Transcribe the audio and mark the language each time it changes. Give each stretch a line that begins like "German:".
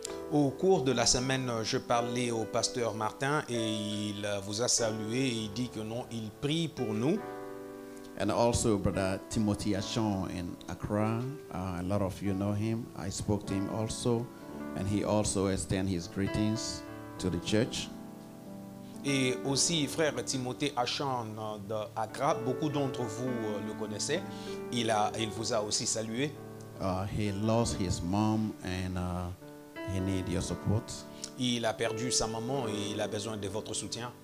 French: Au cours de la semaine, je parlais au pasteur Martin et il vous a salué et il dit que non, il prie pour nous.
English: And also brother Timothy Achon in Accra, a lot of you know him. I spoke to him also, and he also extend his greetings to the church.
French: Et aussi frère Timothy Achon de Accra, beaucoup d'entre vous le connaissez. Il vous a aussi salué.
English: He lost his mom and he need your support.
French: Il a perdu sa maman et il a besoin de votre soutien.